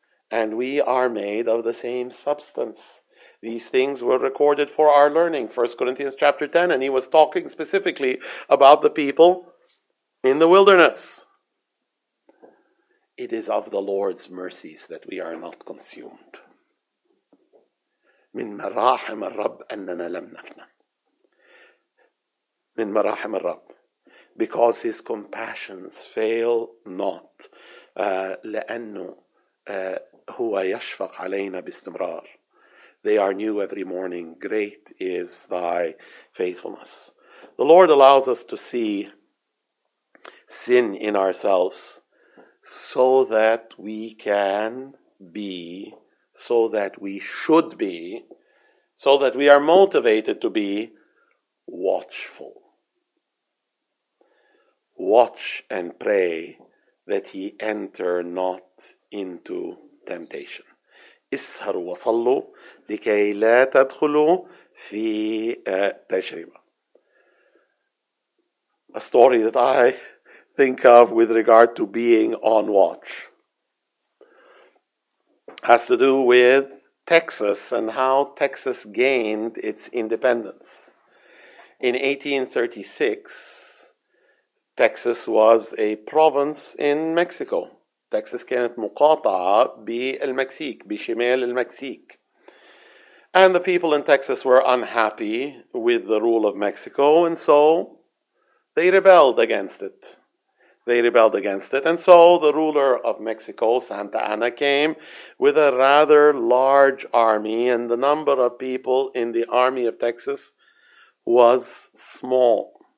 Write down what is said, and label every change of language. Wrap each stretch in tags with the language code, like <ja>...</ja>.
<en>And we are made of the same substance. These things were recorded for our learning, 1 Corinthians chapter 10, and he was talking specifically about the people in the wilderness. It is of the Lord's mercies that we are not consumed.</en> <ar>من مراحم الرب أننا لم نفنى. من مراحم الرب.</ar> <en>Because his compassions fail not.</en> <ar>لأنه هو يشفق علينا باستمرار.</ar> <en>They are new every morning. Great is thy faithfulness. The Lord allows us to see sin in ourselves so that we can be, so that we should be, so that we are motivated to be watchful. Watch and pray that ye enter not into temptation.</en> <ar>اسهروا وصلوا لكي لا تدخلوا في تجربة.</ar> <en>A story that I think of with regard to being on watch has to do with Texas and how Texas gained its independence. In 1836, Texas was a province in Mexico.</en> <ar>Texas كانت مقاطعة بالمكسيك, بشمال المكسيك.</ar> <en>And the people in Texas were unhappy with the rule of Mexico, and so they rebelled against it. They rebelled against it. And so the ruler of Mexico, Santa Anna, came with a rather large army, and the number of people in the army of Texas was small.</en>